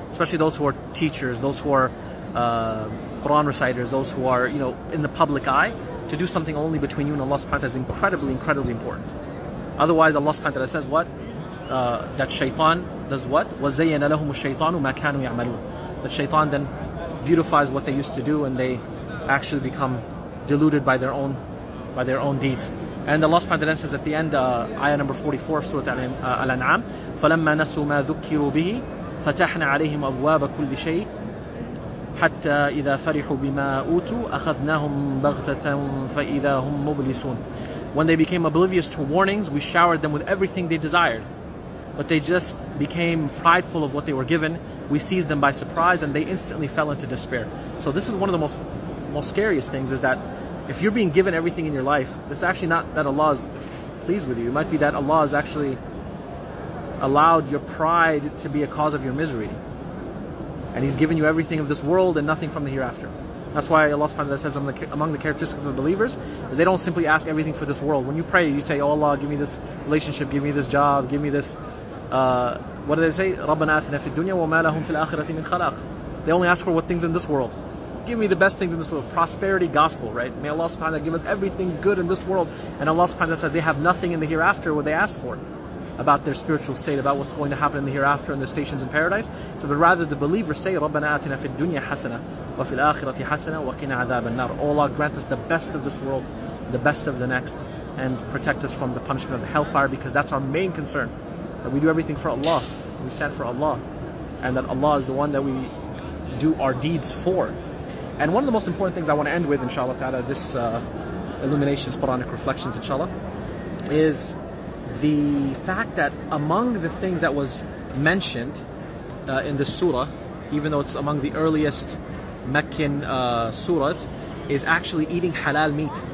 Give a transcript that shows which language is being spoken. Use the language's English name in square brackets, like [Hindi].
[English] Especially those who are teachers, those who are Quran reciters, those who are, you know, in the public eye, to do something only between you and Allah subhanahu wa ta'ala is incredibly, incredibly important. Otherwise Allah subhanahu wa ta'ala says what? That shaitan does what? [Arabic] وَزَيَّنَ لَهُمُ الشَّيْطَانُ مَا كَانُوا يَعْمَلُونَ. [English] That shaitan then beautifies what they used to do and they actually become deluded by their own deeds. And Allah subhanahu wa ta'ala says at the end, ayah number 44 of Surah Al-An'am, [Arabic] فَلَمَّا نَسُوا مَا ذُكِّرُوا بِهِ فَتَحْنَا عَلَيْهِمْ أَبْوَابَ كُلِّ شَيْءٍ حَتَّى إِذَا فَرِحُوا بِمَا أُوتُوا أَخَذْنَاهُمْ بَغْتَةً فَإِذَا هُمْ مُبْلِسُونَ. [English] When they became oblivious to warnings, we showered them with everything they desired. But they just became prideful of what they were given. We seized them by surprise and they instantly fell into despair. So this is one of the most scariest things, is that if you're being given everything in your life, it's actually not that Allah is pleased with you. It might be that Allah has actually allowed your pride to be a cause of your misery. And He's given you everything of this world and nothing from the hereafter. That's why Allah subhanahu wa ta'ala says among the characteristics of the believers, is they don't simply ask everything for this world. When you pray, you say, oh Allah, give me this relationship, give me this job, give me this... what do they say? [Arabic] رَبَّنَا أَتِنَا فِي الدُّنْيَا وَمَا لَهُمْ فِي الْآخِرَةِ مِنْ خَلَقٍ. [English] They only ask for what things in this world. Give me the best things in this world. Prosperity gospel, right? May Allah subhanahu wa ta'ala give us everything good in this world. And Allah subhanahu wa ta'ala says they have nothing in the hereafter what they ask for. About their spiritual state, about what's going to happen in the hereafter and their stations in paradise. So, but rather the believers say, [Arabic] رَبَّنَا أَتِنَا فِي الدُّنْيَا حَسَنَةً وَفِي الْآخِرَةِ حَسَنَةً وَقِنَا عَذَابَ النَّارِ. [English] O Allah, grant us the best of this world, the best of the next, and protect us from the punishment of the hellfire, because that's our main concern. That we do everything for Allah, we stand for Allah, and that Allah is the one that we do our deeds for. And one of the most important things I want to end with, inshallah, out of this Illuminations, Quranic Reflections, inshallah, is the fact that among the things that was mentioned in the surah, even though it's among the earliest Meccan surahs, is actually eating halal meat.